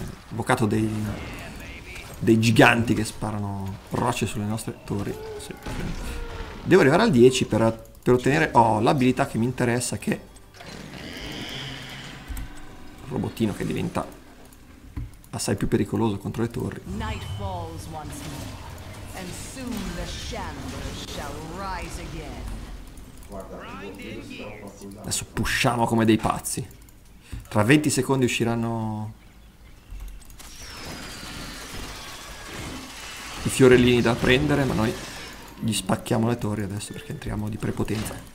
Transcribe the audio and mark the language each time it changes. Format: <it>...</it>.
<it>Avvocato dei giganti che sparano rocce sulle nostre torri. Sì. Devo arrivare al 10 per ottenere l'abilità che mi interessa, che il robottino che diventa assai più pericoloso contro le torri.</it> <en>Night falls once more, and soon the shambler shall rise again.</en> <it>Adesso pushiamo come dei pazzi. Tra 20 secondi usciranno i fiorellini da prendere, ma noi gli spacchiamo le torri adesso perché entriamo di prepotenza.</it>